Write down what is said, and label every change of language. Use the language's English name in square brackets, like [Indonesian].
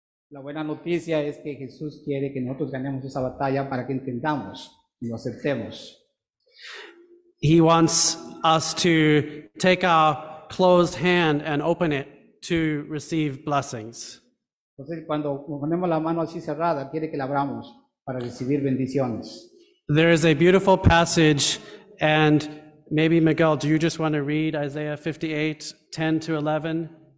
[Spanish] La buena noticia es que Jesús quiere que nosotros ganemos esa batalla para que entendamos y lo aceptemos. [English] He wants us to take our closed hand and open it to receive blessings. [Spanish] Entonces, cuando ponemos la mano así cerrada, quiere que la abramos para recibir bendiciones. [English] There is a beautiful passage, and maybe Miguel, do you just want to read Isaiah 58, 10 to 11?